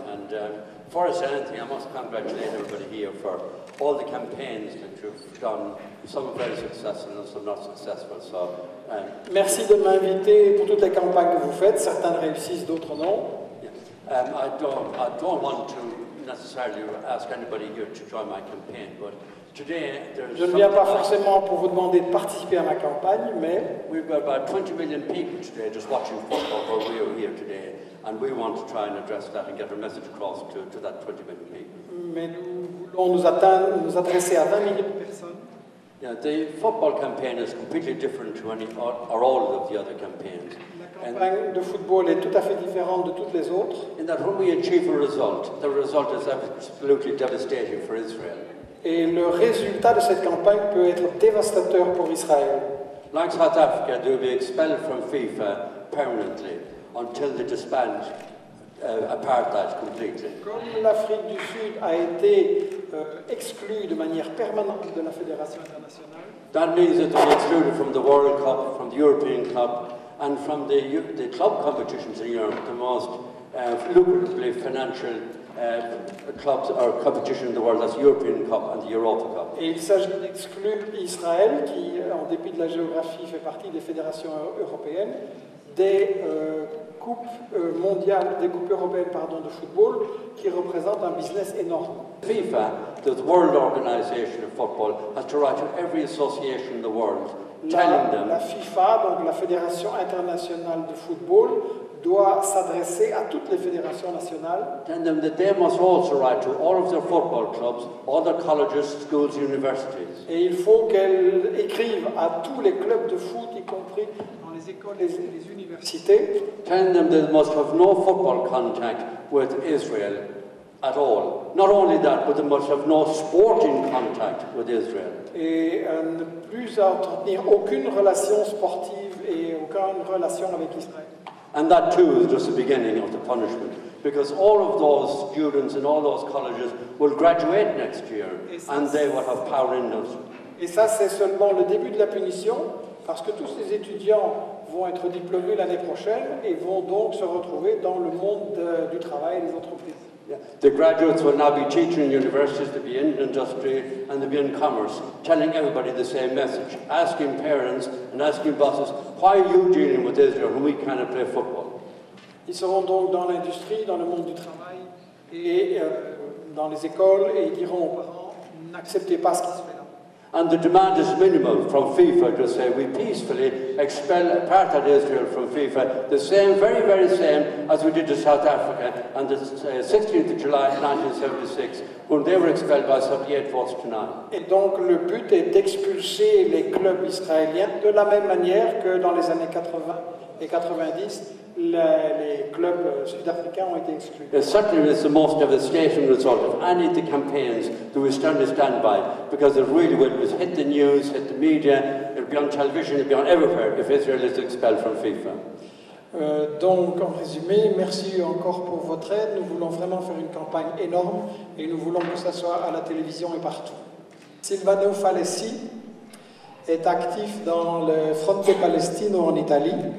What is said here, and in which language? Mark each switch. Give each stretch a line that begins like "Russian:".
English: And before I say anything, I must congratulate everybody here for all the campaigns that you've done, some very successful and some not successful. So,
French: merci de m'inviter pour toute la campagne que vous faites. Certaines réussissent, d'autres non.
English: Yes. I don't want to necessarily ask anybody here to join my campaign, but today
French: je ne viens pas forcément pour vous demander de participer à ma campagne, mais
English: we've got about 20 million people today just watching football, but we are here today. And we want to try and address that and get our message across to that 20 million people.
French: Mais nous voulons nous adresser à 20 millions de personnes.
English: Yeah, the football campaign is completely different to any or all of the other campaigns.
French: La campagne de football est tout à fait différente de toutes les autres.
English: In that when we achieve a result, the result is absolutely devastating for Israel.
French: Et le résultat de cette campagne peut être dévastateur pour Israël.
English: Like South Africa, they will be expelled from FIFA permanently. Until they disband apartheid completely.
French: Comme l'Afrique du Sud a été exclue de manière permanente de la fédération internationale.
English: That means that they're excluded from the World Cup, from the European Cup, and from the club competitions in Europe, the most lucrative financial clubs or competition in the world, that's European Cup and the Europa Cup.
French: Et il s'agit d'exclure Israël, qui, en dépit de la géographie, fait partie des fédérations européennes, des coupes mondiales, des coupes européennes, pardon, de football, qui représentent un business énorme.
English: FIFA, the World Organization of Football, has to write to every association in the world, telling them.
French: La FIFA, donc la Fédération internationale de football, doit s'adresser à toutes les fédérations nationales.
English: Telling them that they must also write to all of their football clubs, all their colleges, schools, universities.
French: Et il faut qu'elles écrivent à tous les clubs de foot, y compris dans les écoles et les universités.
English: Telling them they must have no football contact with Israel. At all. Not only that, but they must have no sporting contact with Israel.
French: Et ne plus entretenir aucune relation sportive et aucune relation avec Israël.
English: And that too is just the beginning of the punishment, because all of those students in all those colleges will graduate next year, and they will have power in those.
French: Et ça, c'est seulement le début de la punition, parce que tous ces étudiants vont être diplômés l'année prochaine et vont donc se retrouver dans le monde du travail et des entreprises.
English: Yeah. The graduates will now be teaching in universities, to be in industry, and to be in commerce, telling everybody the same message, asking parents and asking bosses, why are you dealing with Israel when we cannot play football?
French: Ils seront donc dans l'industrie, dans le monde du travail, et dans les écoles, et ils diront aux parents, n'acceptez pas ce qui se fait là.
English: And the demand is minimal from FIFA to say we peacefully expel part of Israel from FIFA, the same, very, very same as we did to South Africa on the 16th of July 1976, when they were expelled by 78 votes to 9.
French: Et donc le but est d'expulser les clubs israéliens de la même manière que dans les années 80 et 90, les clubs sud-africains ont été exclus.
English: It certainly is the most devastating result of any of the campaigns that we stand by, because it really will hit the news, hit the media, it'll be on television, it'll be on everywhere if Israel is expelled from FIFA.
French: Donc, en résumé, merci encore pour votre aide. Nous voulons vraiment faire une campagne énorme et nous voulons que ça soit à la télévision et partout. Silvano Falessi est actif dans le Fronte Palestino en Italie.